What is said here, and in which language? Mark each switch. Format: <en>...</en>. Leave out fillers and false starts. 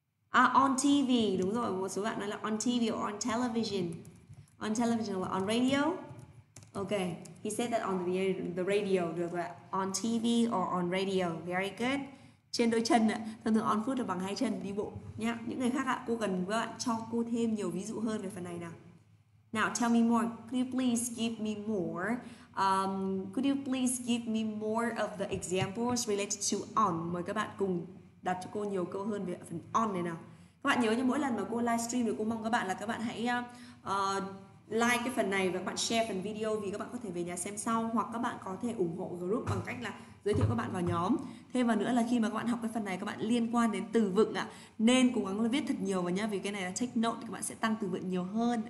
<vi>À, on TV, đúng rồi, một số bạn nói là</vi> <en>on TV or on television. On television là on radio. Ok, he said that on the radio,</en> <vi>được rồi ạ.</vi> <en>On TV or on radio, very good.</en> <vi>Trên đôi chân ạ, thường thường on foot là bằng hai chân, đi bộ nhá. Những người khác ạ, cô cần các bạn cho cô thêm nhiều ví dụ hơn về phần này nào.</vi> <en>Now, tell me more, could you please give me more? Could you please give me more of the examples related to on?</en> <vi>Mời các bạn cùng đặt cho cô nhiều câu hơn về phần on này nào. Các bạn nhớ như mỗi lần mà cô livestream thì cô mong các bạn là các bạn hãy like cái phần này và các bạn share phần video vì các bạn có thể về nhà xem sau, hoặc các bạn có thể ủng hộ group bằng cách là giới thiệu các bạn vào nhóm. Thêm vào nữa là khi mà các bạn học cái phần này, các bạn liên quan đến từ vựng ạ, nên cố gắng là viết thật nhiều vào nhá, vì cái này là take note thì các bạn sẽ tăng từ vựng nhiều hơn.</vi>